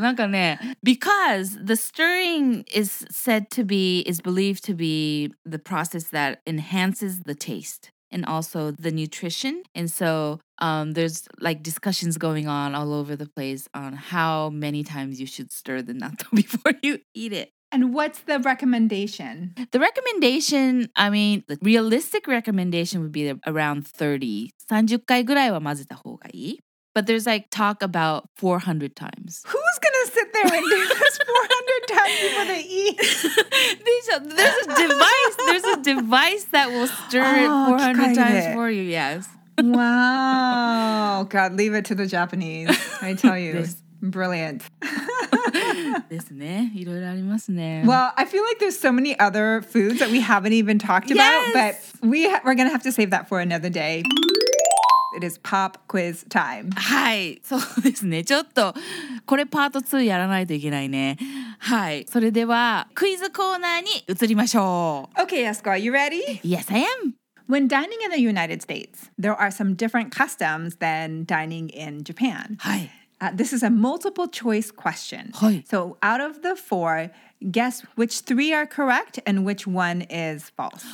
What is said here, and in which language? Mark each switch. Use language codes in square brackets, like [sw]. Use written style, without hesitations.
[en] なんかね、Because the stirring is said to be, is believed to be the process that enhances the taste and also the nutrition. And so, there's like discussions going on all over the place on how many times you should stir the natto before you eat it. And what's the recommendation? The recommendation, I mean, the realistic recommendation would be around 30. [ja] 30回ぐらいは混ぜた方がいい。 [en] But there's like talk about 400 times. Who's going to sit there and do this 400 times before they eat? There's a device. There's a device that will stir it 400 times for you. Yes. Wow. God, leave it to the Japanese. I tell you. Brilliant. Well, I feel like there's so many other foods that we haven't even talked about. Yes. But we're going to have to save that for another day. It is pop quiz time. [ja] はい、そうですね。ちょっとこれパート2やらないといけないね。はい、それではクイズコーナーに移りましょう。 [en] Okay, Yasuko, are you ready? Yes, I am. When dining in the United States, there are some different customs than dining in Japan. [ja] はい、 [en] This is a multiple choice question. [ja] はい、 [en] So out of the four, guess which three are correct and which one is false.